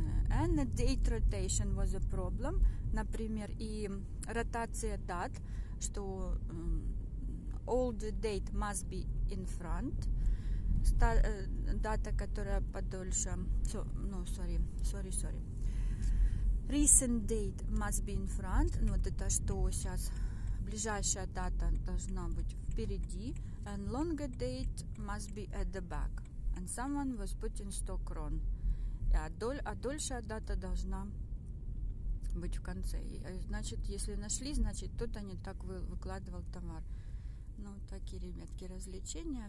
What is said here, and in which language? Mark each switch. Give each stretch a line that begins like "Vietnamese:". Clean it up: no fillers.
English: And the date rotation was a problem.
Russian: Например, и ротация дат, что
English: old date must be in front.
Russian: Дата, которая подольше. Sorry.
English: Recent date must be in front.
Russian: Ну, вот это что сейчас. Ближайшая дата должна быть впереди.
English: And longer date must be at the back. And someone was putting 100 крон.
Russian: А дольшая дата должна быть в конце. И, значит, если нашли, значит, кто-то не так выкладывал товар. Ну, такие, ребятки, развлечения.